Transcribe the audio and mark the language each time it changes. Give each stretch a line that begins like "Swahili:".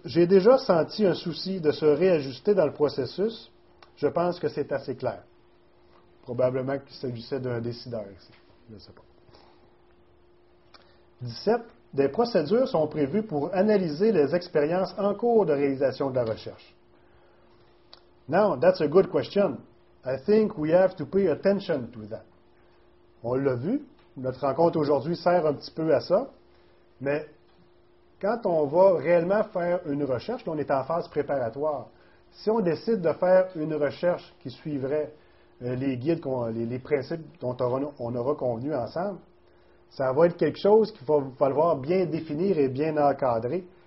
French: J'ai déjà senti un souci de se réajuster dans le processus. Je pense que c'est assez clair. Probablement qu'il s'agissait d'un décideur ici. Je ne sais pas. 17. Des procédures sont prévues pour analyser les expériences en cours de réalisation de la recherche.
English: Now, that's a good question. I think we have to pay attention to that.
French: On l'a vu. Notre rencontre aujourd'hui sert un petit peu à ça. Mais quand on va réellement faire une recherche, on est en phase préparatoire. Si on décide de faire une recherche qui suivrait les guides, les principes dont on aura convenu ensemble, ça va être quelque chose qu'il va falloir bien définir et bien encadrer.